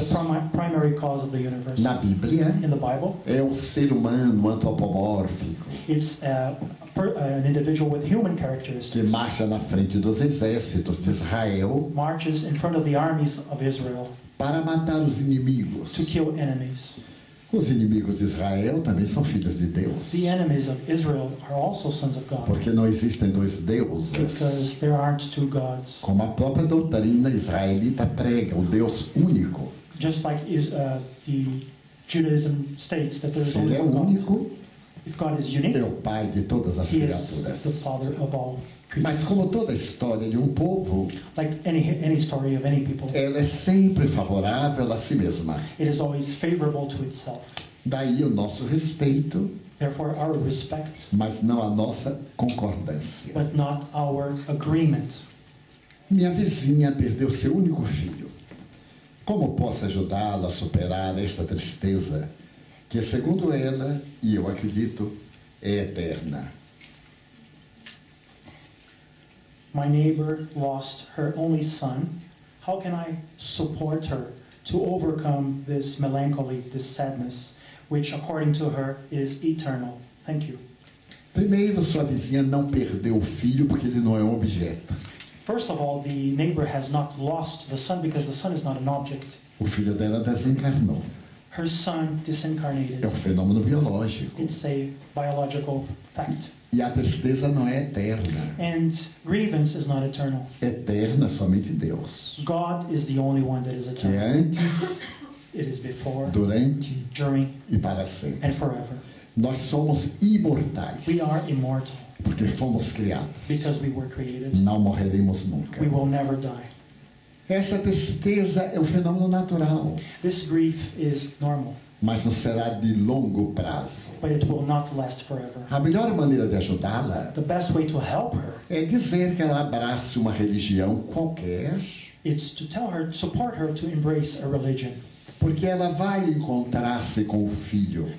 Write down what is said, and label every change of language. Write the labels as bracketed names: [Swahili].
[English] The primary cause of the universe. [Portuguese] Na Bíblia. [English] In the Bible. [Portuguese] É um ser humano antropomórfico. [English] It's an individual with human characteristics. [Portuguese] Que marcha na frente dos exércitos de Israel. [English] Marches in front of the armies of Israel. [Portuguese] Para matar os inimigos. [English] To kill enemies. [Portuguese] Os inimigos de Israel também são filhos de Deus. [English] The enemies of Israel are also sons of God. [Portuguese] Porque não existem dois deuses. [English] Because there aren't two gods. [Portuguese] Como a própria doutrina israelita prega, o Deus único. [English] Just like the Judaism states that there is only one God. [Portuguese] Único, [English] if God is unique, [Portuguese] é o pai de todas as criaturas. [English] The father of all creatures. [Portuguese] Mas como toda história de um povo, [English] like any story of any people, [Portuguese] ela é sempre favorável a si mesma. [English] It is always favorable to itself. [Portuguese] Daí o nosso respeito, [English] therefore our respect, [Portuguese] mas não a nossa concordância. [English] But not our agreement. [Portuguese] Minha vizinha perdeu seu único filho. Como posso ajudá-la a superar esta tristeza? Que segundo ela, e eu acredito, é eterna. [English] My neighbor lost her only son. How can I support her to overcome this melancholy, this sadness, which according to her is eternal? Thank you. [Portuguese] Primeiro, sua vizinha não perdeu o filho porque ele não é um objeto. [English] First of all, the neighbor has not lost the son because the son is not an object. [Portuguese] O filho dela desencarnou. [English] Her son disincarnated. [Portuguese] É um fenômeno biológico. [English] It's a biological fact. [Portuguese] E a tristeza não é eterna. [English] And grievance is not eternal. [Portuguese] Eterna somente Deus. [English] God is the only one that is eternal. [Portuguese] Que antes, [English] it is before, [Portuguese] durante, [English] during, [Portuguese] e para sempre. [English] And forever. [Portuguese] Nós somos imortais. [English] We are immortal. [Portuguese] Porque fomos criados. [English] Because we were created. [Portuguese] Não morreremos nunca. [English] We will never die. [Portuguese] Essa tristeza é um fenômeno natural. [English] This grief is normal. [Portuguese] Mas não será de longo prazo. [English] But it will not last forever. [Portuguese] A melhor maneira de ajudá-la, [English] the best way to help her, [Portuguese] é dizer que ela abrace uma religião qualquer. [English] It's to tell her, support her to embrace a religion. [Portuguese] Porque ela vai encontrar-se com o filho.